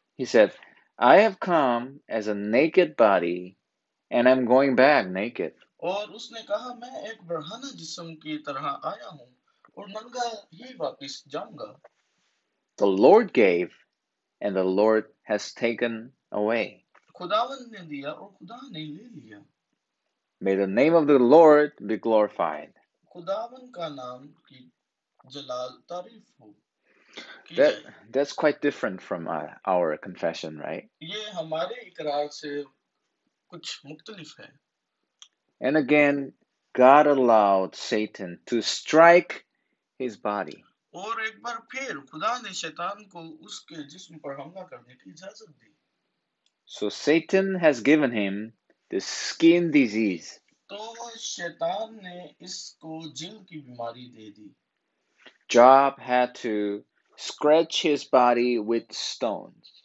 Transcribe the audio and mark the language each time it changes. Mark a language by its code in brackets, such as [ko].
[en] He said, I have come as a naked body and I'm going back naked. [hi] और उसने कहा मैं एक बरहाना जिस्म की तरह आया हूं और नंगा ही वापस जाऊंगा। [en] The Lord gave and the Lord has taken away. [hi] खुदावन ने दिया और खुदा ने ले लिया। [en] May the name of the Lord be glorified. [hi] खुदावन का नाम की जलाल तारीफ हो की जाए। [en] That's quite different from our confession, right? [hi] ये हमारे इकरार से कुछ मुख्तलिफ है। [en] And again, God allowed Satan to strike his body. [hi] और एक बार फिर खुदा ने शैतान को उसके जिस्म पर हमला करने की इजाजत दी। [en] So Satan has given him the skin disease. [hi] तो शैतान ने इसको जिल्द की बीमारी दे दी। [en] Job had to scratch his body with stones.